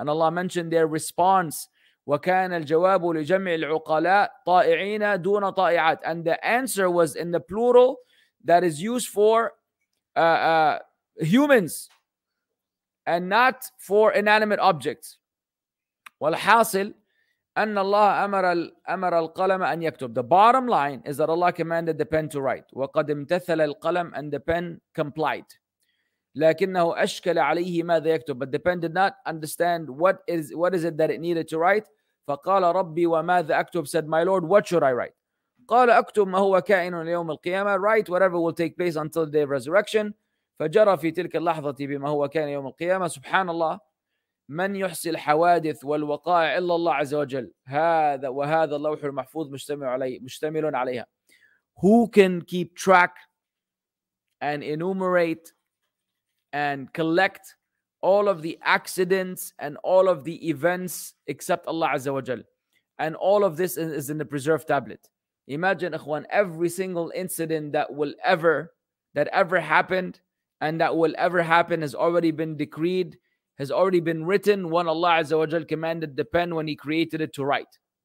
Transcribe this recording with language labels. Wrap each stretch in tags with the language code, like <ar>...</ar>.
<en>And Allah mentioned their response.</en> <ar>وكان الجواب لجمع العقلاء طائعين دون طائعات.</ar> <en>And the answer was in the plural that is used for humans and not for inanimate objects.</en> <ar>والحاصل أن الله أمر القلم أن يكتب.</ar> <en>The bottom line is that Allah commanded the pen to write.</en> <ar>وقد امتثل القلم,</ar> <en>and the pen complied.</en> <ar>لكنه أشكل عليه ماذا يكتب.</ar> <en>But the pen did not understand what is it that it needed to write.</en> <ar>فقال ربي وماذا أكتب.</ar> <en>Said, my Lord, what should I write?</en> <ar>قال أكتب ما هو كائن ليوم القيامة.</ar> <en>Write whatever will take place until the day of resurrection.</en> <ar>فجرى في تلك اللحظة بما هو كائن يوم القيامة. سبحان الله. من يحصل حوادث والوقائع إلا الله عز وجل. هذا وهذا اللوح المحفوظ مشتمل عليها.</ar> <en>Who can keep track and enumerate and collect all of the accidents and all of the events except Allah عز وجل. And all of this is in the preserved tablet. Imagine, ikhwan, every single incident that ever happened and that will ever happen has already been decreed, has already been written when Allah Azza wa Jal commanded the pen when He created it to write.</en>